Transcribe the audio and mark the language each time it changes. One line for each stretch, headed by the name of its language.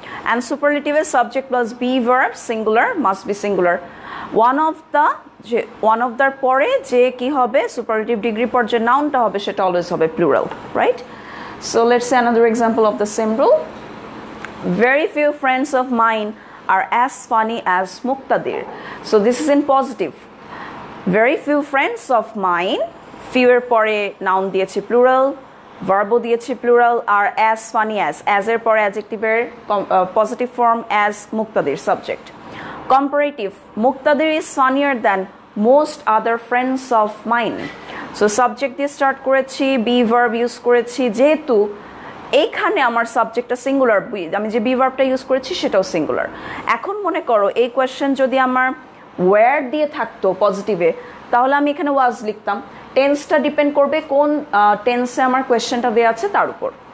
Bangla: And সুপারলেটিভে subject plus be verb singular, must be singular, one of the পরে যে কি হবে সুপারলেটিভ ডিগ্রি পর যে নাউনটা হবে সেটা অলওয়েজ হবে plural, right? So let's see
English: Another example of the same rule, very few friends of mine are as funny as Muktadir. So this is in positive. Very few friends of mine,
Bangla: few er pore noun diyechi plural, verb o diyechi plural,
English: are as funny as
Bangla: er pore adjective er positive form as Muktadir subject.
English: Comparative, Muktadir is funnier than most other friends of mine.
Bangla: So subject diye start korechi, be verb use korechi, jehetu এইখানে আমার সাবজেক্টটা singular, আমি যে B ভার্বটা use করেছি সেটাও singular. এখন মনে করো এই কোয়েশ্চেন যদি আমার ওয়্যার দিয়ে থাকতো পজিটিভে, তাহলে আমি এখানে ওয়াজ লিখতাম। টেন্সটা ডিপেন্ড করবে কোন টেন্সে আমার কোয়েশ্চেনটা দেওয়া আছে তার উপর।